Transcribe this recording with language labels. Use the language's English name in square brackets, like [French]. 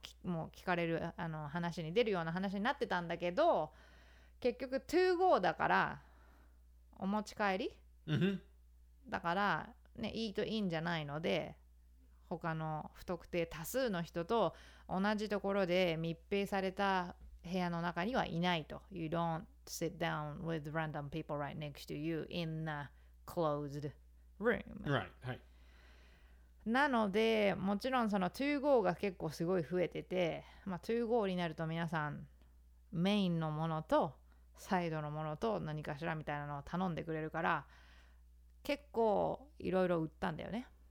[Japanese] もう聞かれる、話に出るような話になってたんだけど、結局 to go だからお持ち帰り、うん、だからね、eat in じゃないので、他の不特定多数の人と同じところで密閉された部屋の中にはいないと。 [English] You don't sit down with random people right next to you in a closed room. Right. はい。 [Japanese] なので、もちろんその to go が結構すごい増えてて、まあ to go になると皆さんメインのものとサイドのものと何かしらみたいなのを頼んでくれるから、結構いろいろ売ったんだよね。